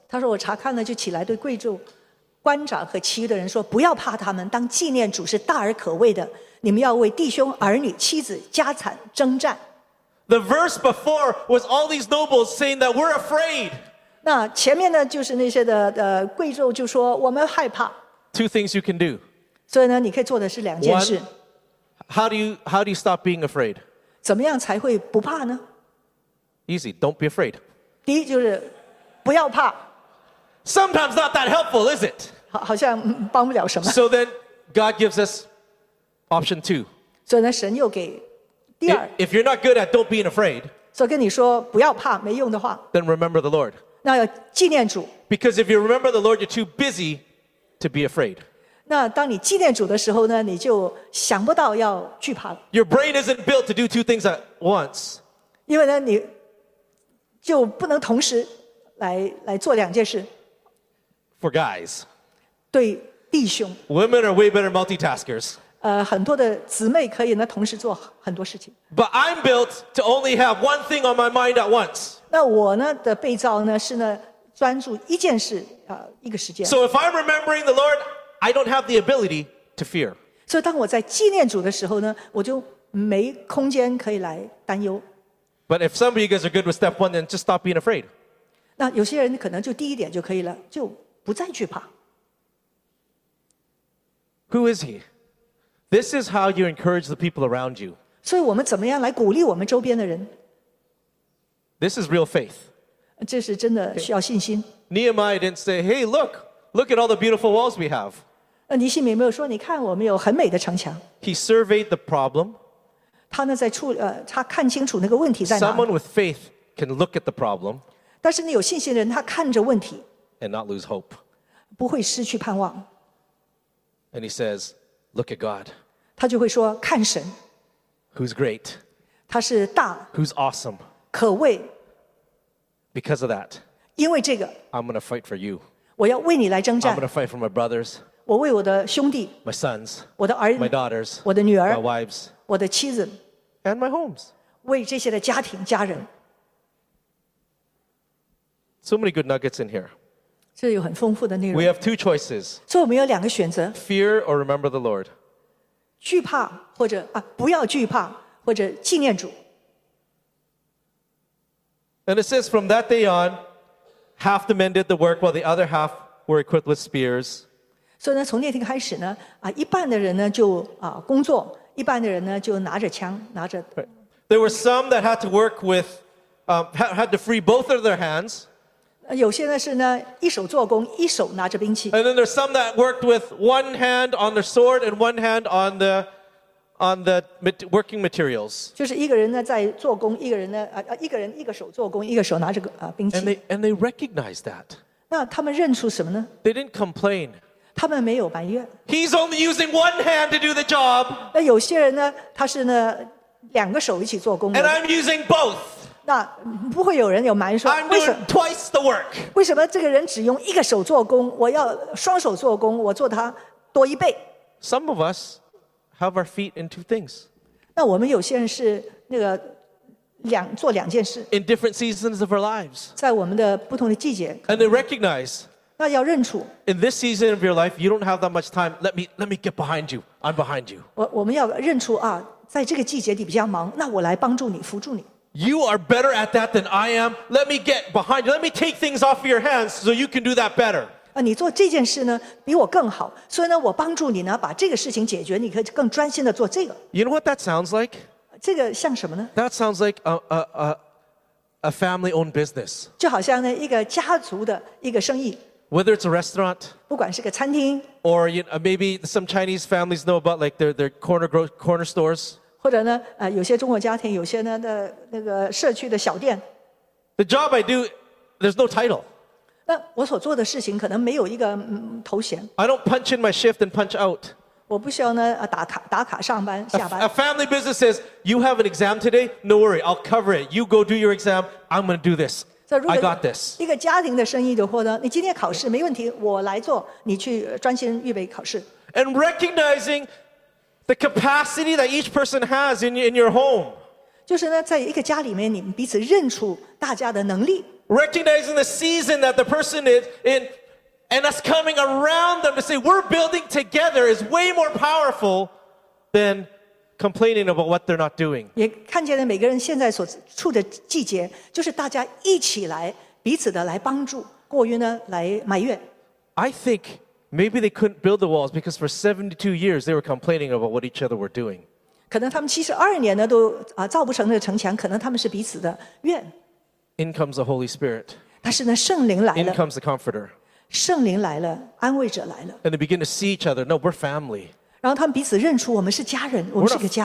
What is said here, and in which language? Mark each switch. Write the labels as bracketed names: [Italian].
[Chinese] 他说我查看了就起来对贵族官长和其余的人说不要怕他们当纪念主是大而可畏的你们要为弟兄儿女妻子家产征战 [English] The verse before was all these nobles saying that we're afraid [Chinese] 那前面呢就是那些的贵族就说我们害怕 [English] Two things you can do [Chinese] 所以呢你可以做的是两件事 [English] One, how do you stop being afraid [Chinese] 怎么样才会不怕呢 [English] Easy, don't be afraid [Chinese] 第一就是不要怕 [English] Sometimes not that helpful, is it? [Chinese] 好像帮不了什么。 [English] So then, God gives us option two. [Chinese] 所以呢，神又给第二。 [English] If you're not good at don't being afraid, [Chinese] 所以跟你说不要怕没用的话。 [English] Then remember the Lord. [Chinese] 那要纪念主。 [English] Because if you remember the Lord, you're too busy to be afraid. [Chinese] 那当你纪念主的时候呢，你就想不到要惧怕了。 [English] Your brain isn't built to do two things at once. [Chinese] 因为呢，你就不能同时来做两件事。 [English] For guys, [Chinese] 对弟兄 [English] women are way better multitaskers. [Chinese] 很多的姊妹可以呢同时做很多事情 [English] But I'm built to only have one thing on my mind at once. [Chinese] 那我呢的被造呢是呢专注一件事一个时间 [English] So if I'm remembering the Lord, I don't have the ability to fear. [Chinese] 所以当我在纪念主的时候呢，我就没空间可以来担忧 [English] But if some of you guys are good with step one, then just stop being afraid. [Chinese] 那有些人可能就第一点就可以了，就不再惧怕。 [English] Who is he? This is how you encourage the people around you. [Chinese] 所以我们怎么样来鼓励我们周边的人？ [English] This is real faith. [Chinese] 这是真的需要信心。 [English] Nehemiah didn't say, "Hey, look at all the beautiful walls we have." [Chinese] 尼希米没有说，你看我们有很美的城墙。 [English] He surveyed the problem. [Chinese] 他呢在处他看清楚那个问题在哪。 [English] Someone with faith can look at the problem. [Chinese] 但是你有信心的人，他看着问题。 [English] And not lose hope. [Chinese] 不会失去盼望。 [English] And he says, "Look at God." [Chinese] 他就会说看神。 [English] Who's great? [Chinese] 他是大。 [English] Who's awesome? [Chinese] 可畏。 [English] Because of that. [Chinese] 因为这个。 [English] I'm going to fight for you. [Chinese] 我要为你来征战。 [English] I'm going to fight for my brothers. [Chinese] 我为我的兄弟。 [English] My sons. [Chinese] 我的儿子。 [English] My daughters. [Chinese] 我的女儿。 [English] My wives. [Chinese] 我的妻子。 [English] And my homes. [Chinese] 为这些的家庭家人。 [English] So many good nuggets in here. [Chinese] 这有很丰富的内容。 [English] We have two choices. [Chinese] 所以我们有两个选择。 [English] Fear or remember the Lord. [Chinese] 惧怕或者不要惧怕或者纪念主。 [English] And it says from that day on, half the men did the work while the other half were equipped with spears. [Chinese] 所以呢从那天开始呢一半的人呢就工作一半的人呢就拿着枪拿着。 [English] There were some that had to work with, had to free both of their hands. [Chinese] 有些呢是呢一手做工一手拿着兵器 [English] And then there's some that worked with one hand on the sword and one hand on the working materials [Chinese] 就是一个人呢在做工一个人呢一个人一个手做工一个手拿着兵器 [English] And they recognized that [Chinese] 那他们认出什么呢 [English] They didn't complain [Chinese] 他们没有埋怨 [English] He's only using one hand to do the job [Chinese] 那有些人呢他是呢两个手一起做工 [English] And I'm using both [Chinese] 那不会有人有埋怨说 [English] I'm doing twice the work. [Chinese] 为什么这个人只用一个手做工我要双手做工我做他多一倍 [English] Some of us have our feet in two things. [Chinese] 那我们有些人是那个两做两件事 [English] In different seasons of our lives. [Chinese] 在我们的不同的季节 [English] And they recognize. [Chinese] 那要认出 [English] In this season of your life, you don't have that much time. Let me get behind you. I'm behind you. [Chinese] 我们要认出啊在这个季节你比较忙那我来帮助你扶助你 [English] You are better at that than I am. Let me get behind you. Let me take things off of your hands so you can do that better. [Chinese] 你做这件事呢比我更好所以呢我帮助你呢把这个事情解决你可以更专心的做这个。 [English] You know what that sounds like? [Chinese] 这个像什么呢? [English] That sounds like a family-owned business. [Chinese] 就好像呢一个家族的一个生意。 [English] Whether it's a restaurant, [Chinese] 不管是个餐厅 [English] or you know, maybe some Chinese families know about like their corner stores. [Chinese] 或者呢，有些中国家庭，有些呢的那个社区的小店。 [English] The job I do, there's no title. [Chinese] 那我所做的事情可能没有一个头衔。 [English] I don't punch in my shift and punch out. [Chinese] 我不需要呢打卡上班下班。 [English] A family business says you have an exam today. No worry, I'll cover it. You go do your exam. I'm going to do this. I got this. [Chinese] 一个家庭的生意的话呢，你今天考试没问题，我来做，你去专心预备考试。 [English] And recognizing. The capacity that each person has in your home. [Chinese] 就是呢，在一个家里面，你们彼此认出大家的能力。 [English] Recognizing the season that the person is in, and us coming around them to say we're building together is way more powerful than complaining about what they're not doing. [Chinese] 也看见了每个人现在所处的季节，就是大家一起来彼此的来帮助，过于呢来埋怨。 [English] I think. Maybe they couldn't build the walls because for 72 years they were complaining about what each other were doing. [Chinese] 可能他们72年呢都造不成那个城墙，可能他们是彼此的怨。 [English] In comes the Holy Spirit. [Chinese] 但是呢，圣灵来了。 [English] In comes the Comforter. [Chinese] 圣灵来了，安慰者来了。 [English] And they begin to see each other. No, we're family. [Chinese] 然后他们彼此认出我们是家人，我们是个家。